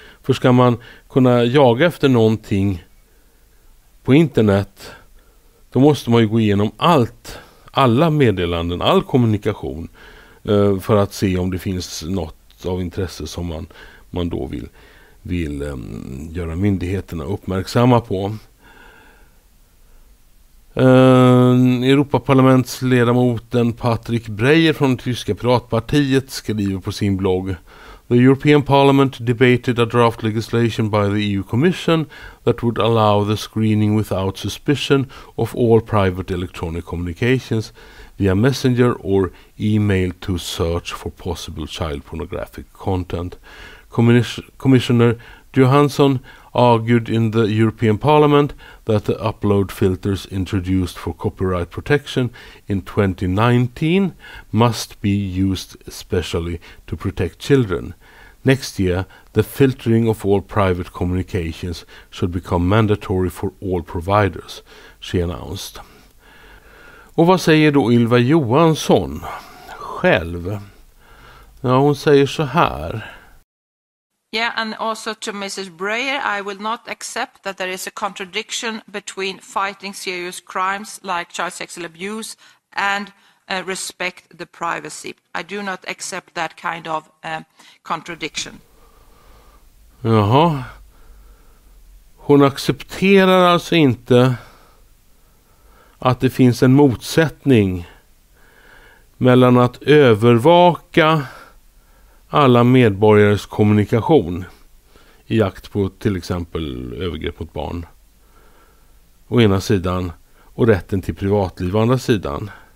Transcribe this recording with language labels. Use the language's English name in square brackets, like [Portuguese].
[Swedish] För ska man kunna jaga efter någonting på internet, då måste man ju gå igenom alla meddelanden, all kommunikation, för att se om det finns något av intresse som man då vill göra myndigheterna uppmärksamma på. Europaparlamentsledamoten Patrick Breyer från det tyska piratpartiet skriver på sin blogg [English] The European Parliament debated a draft legislation by the EU Commission that would allow the screening without suspicion of all private electronic communications via messenger or email to search for possible child pornographic content. Commissioner Johansson argued in the European Parliament that the upload filters introduced for copyright protection in 2019 must be used especially to protect children. Next year, the filtering of all private communications should become mandatory for all providers, she announced. [Swedish] Och vad säger då Ylva Johansson själv? Ja, hon säger så här. [English] Yeah, and also to Mrs. Breyer, I will not accept that there is a contradiction between fighting serious crimes like child sexual abuse and respect the privacy. I do not accept that kind of contradiction. [Swedish] Jaha. Hon accepterar alltså inte att det finns en motsättning mellan att övervaka alla medborgares kommunikation i jakt på till exempel övergrepp mot barn å ena sidan och rätten till privatliv å andra sidan.